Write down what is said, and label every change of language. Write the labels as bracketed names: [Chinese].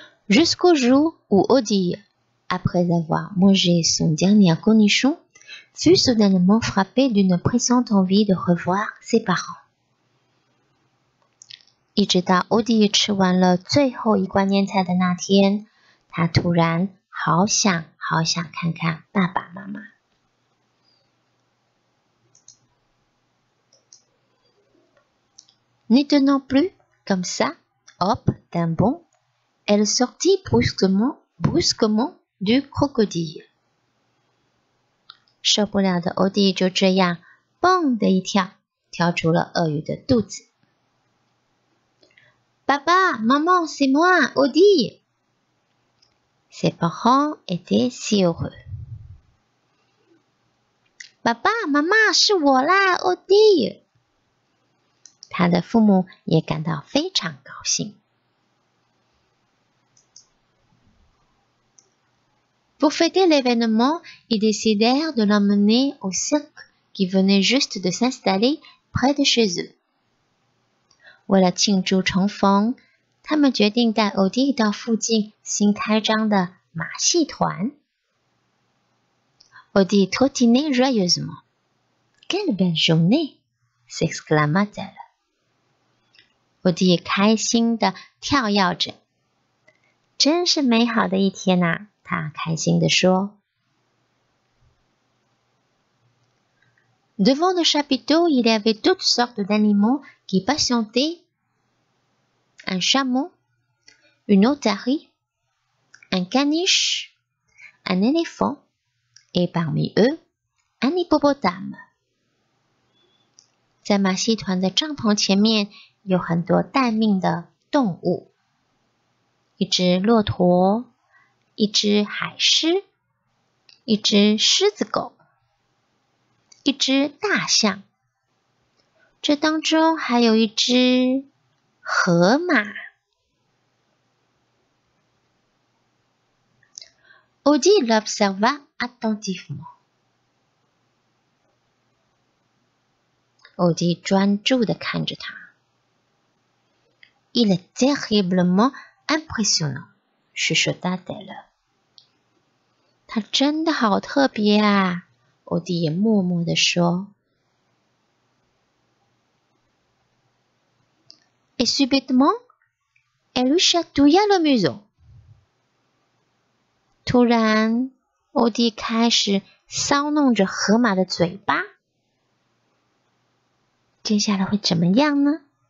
[French] Jusqu'au jour où Odile, après avoir mangé son dernier cornichon, fut soudainement frappée d'une pressante envie de revoir ses parents. [Chinese] 一直到 Odile 吃完了最后一罐腌菜的那天，她突然好想好想看看爸爸妈妈。 [French] Ne tenant plus comme ça, hop, d'un bond. Elle sortit brusquement du crocodile. [Chinese] 受不了的 Odi 就这样蹦的一跳跳出了鳄鱼的肚子。爸爸妈妈 [French] c'est moi, Odi! Ses parents étaient si heureux. [Chinese] 爸爸妈妈是我啦 Odi! 他的父母也感到非常高兴。 [French] Pour fêter l'événement, ils décidèrent de l'emmener au cirque qui venait juste de s'installer près de chez eux. [Chinese] 为了庆祝重逢，他们决定带欧弟到附近新开张的马戏团。 [French] 欧弟 trottinait joyeusement. Quelle belle journée! s'exclama-t-elle. [Chinese] 欧弟开心地跳跃着。真是美好的一天啊！他开心地说 [French] ：“Devant le chapiteau, il y avait toutes sortes d'animaux qui patientaient. Un chameau, une otarie, un caniche, un éléphant, et parmi eux, un hippopotame. [Chinese] 在马戏团的帐篷前面有很多待命的动物，一只骆驼。” 一只海狮，一只狮子狗，一只大象，这当中还有一只河马。 [French] Odi l'observa attentivement. [Chinese] Odi 专注地看着他。 [French] Il est terriblement impressionnant, chuchota-t-elle. [Chinese] 他真的好特别啊，欧弟也默默地说。 [French] Et subitement, elle lui chatouilla le museau. [Chinese] 突然，欧弟开始搔弄着河马的嘴巴。接下来会怎么样呢？